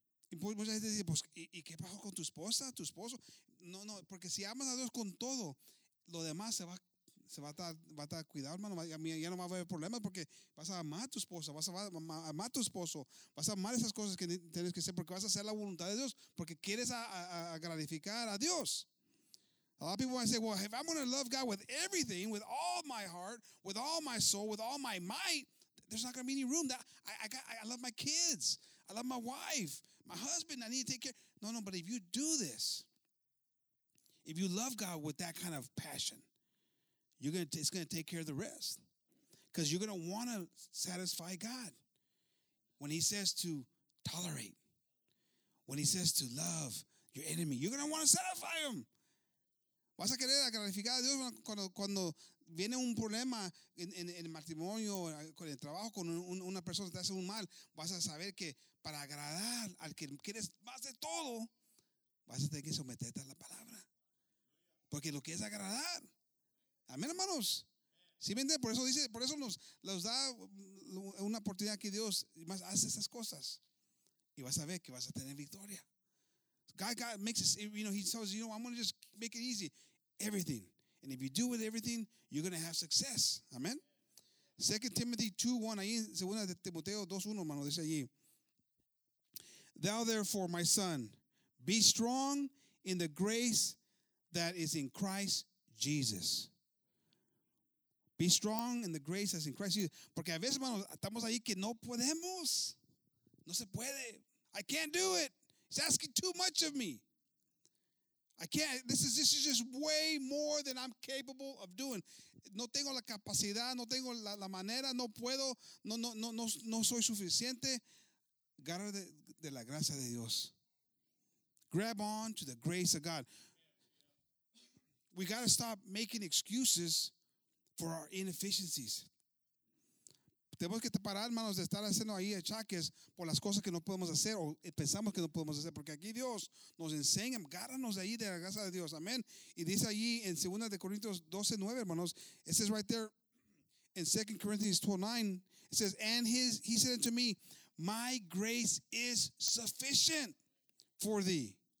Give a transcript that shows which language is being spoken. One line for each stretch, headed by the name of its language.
Spanish: Y mucha gente dice, pues, ¿y qué pasó con tu esposa, tu esposo? No, porque si amas a Dios con todo, lo demás se va a estar cuidado, hermano. Ya no va a haber problemas porque vas a amar a tu esposa, vas a amar a tu esposo, vas a amar esas cosas que tienes que hacer porque vas a hacer la voluntad de Dios, porque quieres a gratificar a Dios.
English: A lot of people might say, well, if I'm going to love God with everything, with all my heart, with all my soul, with all my might, there's not going to be any room. I love my kids. I love my wife, my husband. I need to take care. No, but if you do this, if you love God with that kind of passion, it's going to take care of the rest. Because you're going to want to satisfy God. When he says to tolerate, when he says to love your enemy, you're going to want to satisfy him.
Spanish: Vas a querer gratificar a Dios cuando viene un problema en el matrimonio, con el trabajo, con una persona que te hace un mal. Vas a saber que para agradar al que quieres más de todo, vas a tener que someterte a la palabra. Porque lo que es agradar. Amén, hermanos. ¿Sí me entiendes? Por eso nos da una oportunidad que Dios más hace esas cosas. Y vas a ver que vas a tener victoria.
English: God makes us, he says, I'm going to just make it easy. Everything. And if you do with everything, you're going to have success. Amen. 2 Timothy 2:1,
Spanish: ahí, 2 Timoteo 2:1, hermano, dice allí.
English: Thou therefore, my son, be strong in the grace that is in Christ Jesus. Be strong in the grace that's in Christ Jesus.
Spanish: Porque a veces, hermano, estamos ahí que no podemos. No se puede.
English: I can't do it. He's asking too much of me. I can't. This is just way more than I'm capable of doing.
Spanish: No tengo la capacidad. No tengo la manera. No puedo. No soy suficiente. Agarra de la gracia de Dios.
English: Grab on to the grace of God. We got to stop making excuses for our inefficiencies.
Spanish: Tenemos que parar, hermanos, de estar haciendo ahí achaques por las cosas que no podemos hacer o pensamos que no podemos hacer. Porque aquí Dios nos enseña, agárranos de ahí de la gracia de Dios. Amén. Y dice allí en 2 Corintios 12:9, hermanos.
English: It says right there in 2 Corinthians 12:9. It says, and he said unto me, my grace is sufficient for thee.